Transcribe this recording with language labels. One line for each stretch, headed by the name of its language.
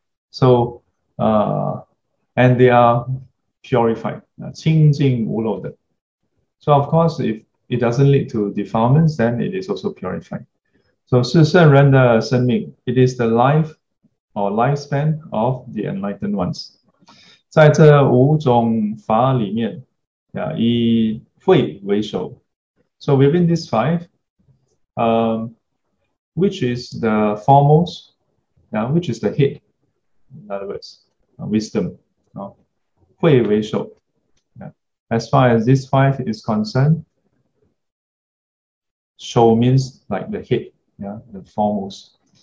English: So, and they are purified,
Chinese: 清净无漏的.
English: So, of course, if it doesn't lead to defilements, then it is also purified. So,
Chinese: 是圣人的生命,
English: it is the life or lifespan of the enlightened ones.
Chinese: 在这五种法里面, 以慧为首.
English: So, within these five, which is the foremost, which is the head? In other words, wisdom. Hui Wei Shou. As far as this five is concerned, Shou means like the head, the foremost.